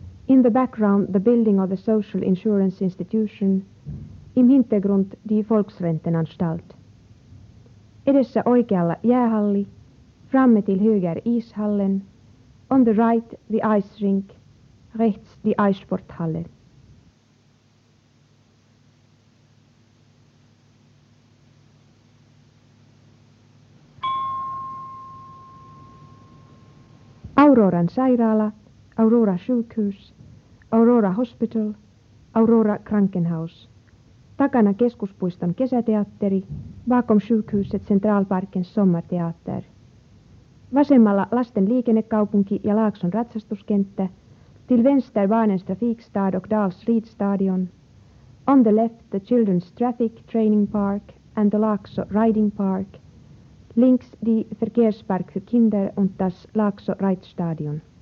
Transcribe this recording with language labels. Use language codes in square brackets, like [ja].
[en] In the background, the building of the social insurance institution. [de] Im Hintergrund, die Volksrentenanstalt. [fi] Edessä oikealla jäähalli. [sv] Framme till höger ishallen. [en] On the right, the ice rink. [de] Rechts, die Eissporthalle. [fi] Auroran sairaala. Aurora Sjukhus, Aurora Hospital, Aurora Krankenhaus. Takana keskuspuiston kesäteatteri, [sv] bakom sjukhuset Centralparkens sommarteater. [fi] Vasemmalla lasten liikennekaupunki ja Laakson ratsastuskenttä, [sv] till vänster barnens trafikstad och Dals ridstadion. [en] On the left the Children's Traffic Training Park and the Laakso Riding Park. [de] Links die Verkehrspark för kinder und das Laakso Reitstadion.